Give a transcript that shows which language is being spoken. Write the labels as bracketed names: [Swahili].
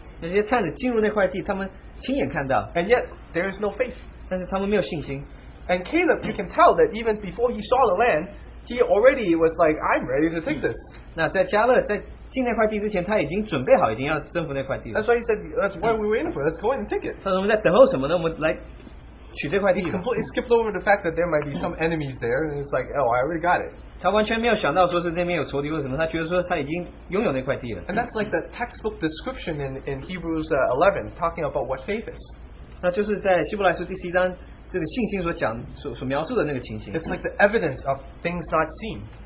[Chinese] 那些探子进入那块地，他们 亲眼看到, [English] and yet there is no faith. [Chinese] 但是他们没有信心. [English] And Caleb, you can tell that even before he saw the land, he already was like, I'm ready to take this. [Chinese] 那在加勒在进那块地之前，他已经准备好，已经要征服那块地了. [English] That's why he said, that's why we were in for. Let's go and take it. [Chinese] 他说我们在等候什么呢？我们来取这块地. [English] He completely skipped over the fact that there might be some enemies there, and it's like, oh, I already got it. [Chinese] 他完全没有想到说是那边有仇敌或什么，他觉得说他已经拥有那块地了。 [English] And that's like the textbook description in Hebrews 11, talking about what faith is. [Chinese] 那就是在希伯来书第十一章这个信心所描述的那个情形。 [English] It's like the evidence of things not seen.